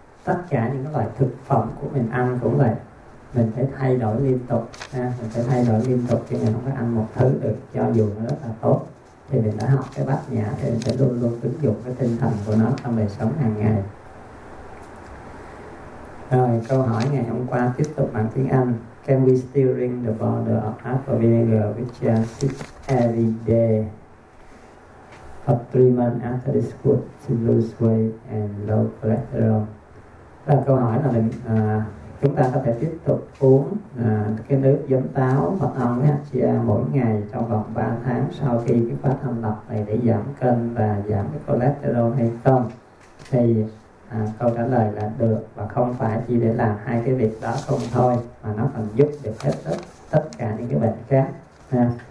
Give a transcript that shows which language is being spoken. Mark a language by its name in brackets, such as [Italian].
[Vietnamese] Tất cả những cái loại thực phẩm của mình ăn cũng vậy, mình phải thay đổi liên tục ha. Mình phải thay đổi liên tục chứ mình không có ăn một thứ được cho dù nó rất là tốt. Thì mình đã học cái bát nhã thì mình sẽ luôn luôn ứng dụng cái tinh thần của nó trong đời sống hàng ngày. Rồi, câu hỏi ngày hôm qua tiếp tục bằng tiếng Anh. [English] Can we still drink the bottle of apple vinegar with acid every day for 3 months after this food to lose weight and low cholesterol? [Vietnamese] Và câu hỏi là chúng ta có thể tiếp tục uống cái nước giấm táo mật ong HCA mỗi ngày trong vòng 3 tháng sau khi cái khóa thanh lọc này để giảm cân và giảm cái cholesterol hay không? Thì câu trả lời là được, và không phải chỉ để làm hai cái việc đó không thôi, mà nó còn giúp được hết tất cả những cái bệnh khác ha.